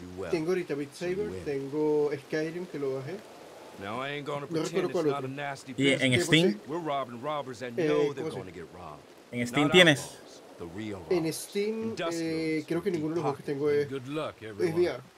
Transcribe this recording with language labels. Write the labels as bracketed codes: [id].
[es] Tengo ahorita Beat Saber, tengo Skyrim que lo bajé. [en] Now I ain't gonna pretend it's not a nasty business. [es] Y en Steam. [en] We're robbing robbers and know they're going to get robbed. [es] En Steam tienes. En Steam creo que ninguno de los juegos que tengo es VR.